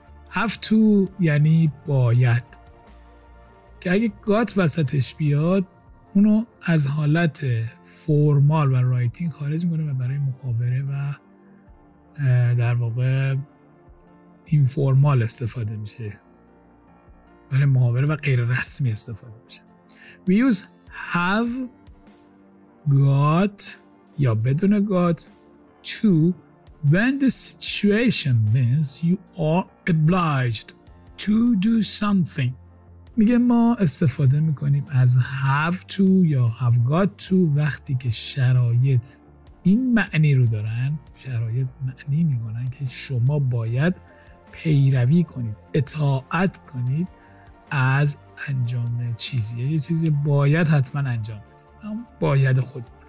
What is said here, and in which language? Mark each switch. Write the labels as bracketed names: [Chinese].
[Persian] have to یعنی باید، که اگه got وسطش بیاد اونو از حالت فرمال و رایتینگ خارج می‌کنه و برای محاوره و در واقع اینفورمال استفاده میشه، برای محاوره و غیر رسمی استفاده میشه. [English] We use have got [Persian] یا بدون [English] got to when the situation means you are obliged to do something. [Persian] میگه ما استفاده میکنیم از have to یا have got to وقتی که شرایط این معنی رو دارن، شرایط معنی میگنن که شما باید پیروی کنید، اطاعت کنید از انجام چیزیه، یه چیزی باید حتما انجام بده، باید خود.